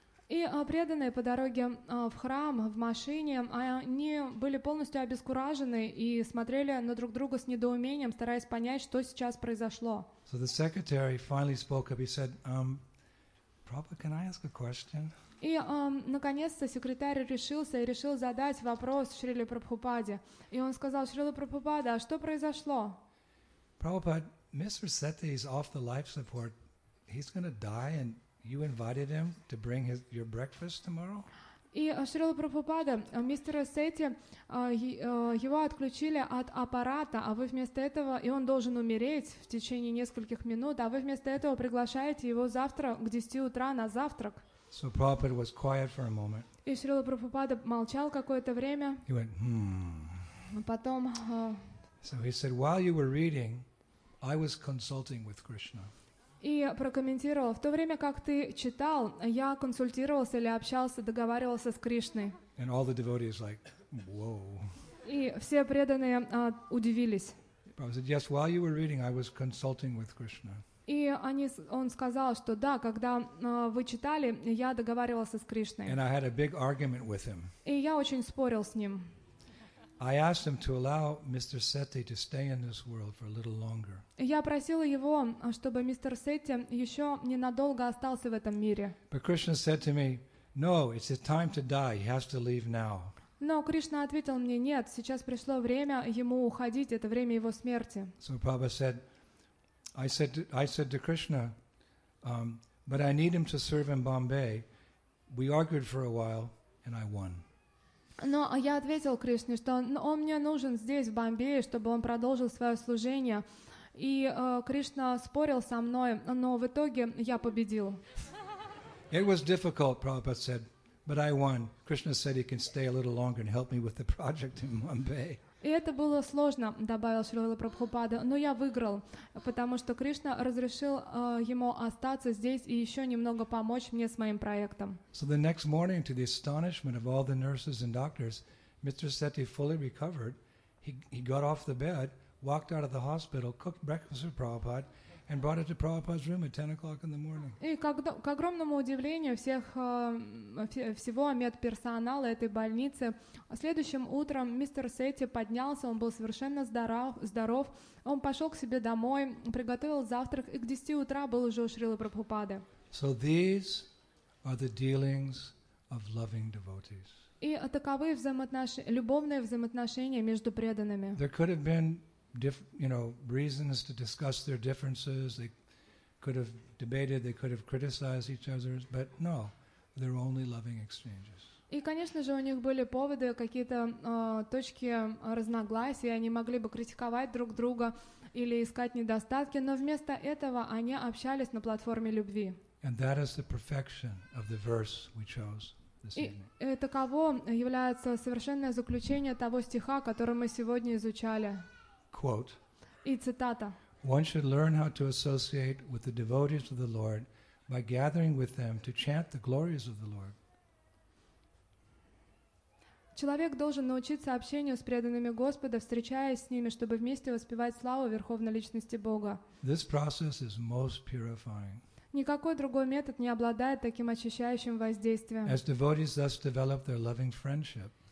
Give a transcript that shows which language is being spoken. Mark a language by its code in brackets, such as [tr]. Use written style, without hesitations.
[ru] И преданные по дороге в храм, в машине, они были полностью обескуражены и смотрели на друг друга с недоумением, стараясь понять, что сейчас произошло. [en] So the secretary finally spoke up. He said, Prabhupada, can I ask a question? [ru] И наконец-то секретарь решился и решил задать вопрос Шриле Прабхупаде. И он сказал: Шрила Прабхупада, а что произошло? [en] Prabhupada, Mr. Sethi is off the life support. He's going to die and you invited him to bring his your breakfast tomorrow? [ru] И Шрила Прабхупада, мистера Сети, его отключили от аппарата, а вы вместо этого, и он должен умереть в течение нескольких минут, а вы вместо этого приглашаете его завтра к 10 утра на завтрак. [en] So Prabhupada was quiet for a moment. [ru] И Шрила Прабхупада молчал какое-то время. [en] He went, [ru] Потом, [en] So he said, while you were reading, I was consulting with Krishna. [ru] И прокомментировал: в то время как ты читал, я консультировался или общался, договаривался с Кришной. [en] And all the devotees like, whoa. [ru] И все преданные удивились. [en] Prabhupada said, yes, while you were reading, I was consulting with Krishna. [ru] И он сказал, что да, когда вы читали, я договаривался с Кришной. [en] And I had a big argument with him. [ru] И я очень спорил с ним. [en] I asked him to allow Mr. Sethi to stay in this world for a little longer. [ru] Я просила его, чтобы мистер Сетти еще ненадолго остался в этом мире. [en] But Krishna said to me, "No, it's his time to die. He has to leave now." [ru] Но Кришна ответил мне: "Нет, сейчас пришло время ему уходить. Это время его смерти." [en] So Prabhupada said, "I said to Krishna, but I need him to serve in Bombay. We argued for a while, and I won." [ru] Но я ответил Кришне, что он мне нужен здесь, в Бомбее, чтобы он продолжил свое служение. И Кришна спорил со мной, но в итоге я победил. [en] It was difficult, Prabhupada said, but I won. Krishna said he can stay a little longer and help me with the project in Bombay. [ru] И это было сложно, добавил Шрила Прабхупада, но я выиграл, потому что Кришна разрешил ему остаться здесь и еще немного помочь мне с моим проектом. [en] So the next morning, to the astonishment of all the nurses and doctors, Mr. Sethi fully recovered. He got off the bed, walked out of the hospital, cooked breakfast for Prabhupada, and brought it to Prabhupada's room at 10 o'clock in the morning. [ru] И к огромному удивлению всего медперсонала этой больницы, следующим утром мистер Сети поднялся, он был совершенно здоров, он пошел к себе домой, приготовил завтрак, и к 10 утра был уже у Шрилы Прабхупады. [en] So these are the dealings of loving devotees. [ru] И таковы любовные взаимоотношения между преданными. [en] There could have been reasons to discuss their differences. They could have debated, they could have criticized each other, but no, they're only loving exchanges. [ru] И, конечно же, у них были поводы, какие-то точки разногласий, они могли бы критиковать друг друга или искать недостатки, но вместо этого они общались на платформе любви. [en] And that is the perfection of the verse we chose. [ru] И таково является совершенное заключение того стиха, который мы сегодня изучали. [en] Quote, one should learn how to associate with the devotees of the Lord by gathering with them to chant the glories of the Lord. [ru] Человек должен научиться общению с преданными Господа, встречаясь с ними, чтобы вместе воспевать славу Верховной Личности Бога. [en] This process is most purifying. [ru] Никакой другой метод не обладает таким очищающим воздействием. [en] As devotees thus develop their loving friendship,